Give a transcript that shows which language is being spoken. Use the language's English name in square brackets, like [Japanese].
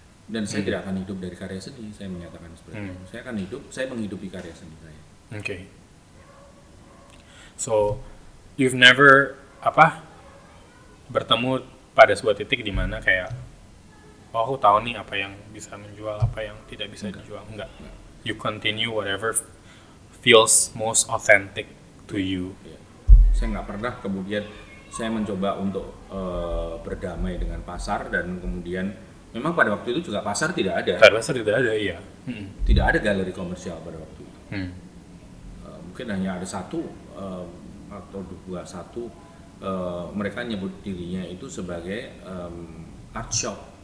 [Indonesian] Dan saya tidak akan hidup dari karya seni, saya menyatakan seperti itu. Saya akan hidup, saya menghidupi karya seni saya. Oke. [English] So, you've never [Indonesian] bertemu pada sebuah titik di mana kayak oh, aku tahu nih apa yang bisa menjual, apa yang tidak bisa dijual. Enggak. [English] You continue whatever feels most authentic to you. [Indonesian] Saya enggak pernah kemudian saya mencoba untuk berdamai dengan pasar dan kemudian memang pada waktu itu juga pasar tidak ada. Pasar tidak ada, iya. Tidak ada galeri komersial pada waktu itu. Mungkin hanya ada satu atau dua, satu mereka nyebut dirinya itu sebagai art shop.